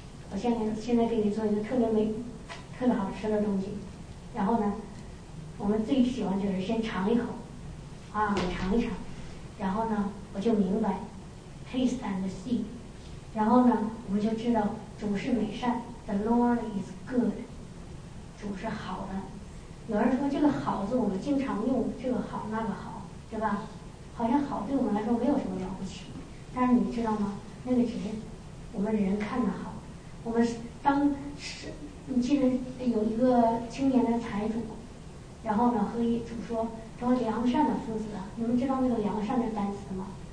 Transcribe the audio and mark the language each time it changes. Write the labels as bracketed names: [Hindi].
[Chinese] 我现在给你做一个特别好吃的东西，然后呢我们最喜欢就是先尝一口啊，我尝一尝，然后呢我就明白 [English] Taste and see， [Chinese] 然后呢我们就知道主是美善。 [English] The Lord is good， [Chinese] 主是好的。有人说这个好字我们经常用，这个好那个好，对吧？好像好对我们来说没有什么了不起，但是你知道吗，那个只是我们人看的好。我们当时你记得有一个青年的财主，然后呢和主说，说良善的夫子，你们知道那个良善的单词吗？